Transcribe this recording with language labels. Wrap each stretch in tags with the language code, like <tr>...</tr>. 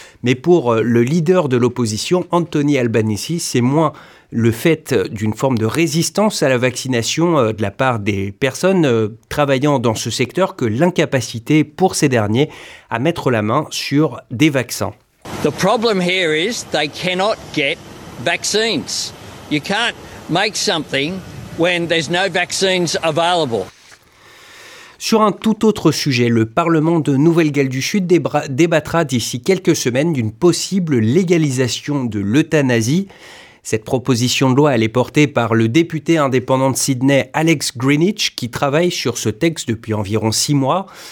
<fr>Mais pour le leader de l'opposition, Anthony Albanese, c'est moins le fait d'une forme de résistance à la vaccination de la part des personnes travaillant dans ce secteur que l'incapacité pour ces derniers à mettre la main sur des vaccins.</fr> <en>The problem here is they cannot get vaccines. You can't make something when there's no vaccines available.</en> <fr>Sur un tout autre sujet, le Parlement de Nouvelle-Galles du Sud débattra d'ici quelques semaines d'une possible légalisation de l'euthanasie. Cette proposition de loi, elle est portée par le député indépendant de Sydney, Alex Greenwich, qui travaille sur ce texte depuis environ 6 mois.</fr>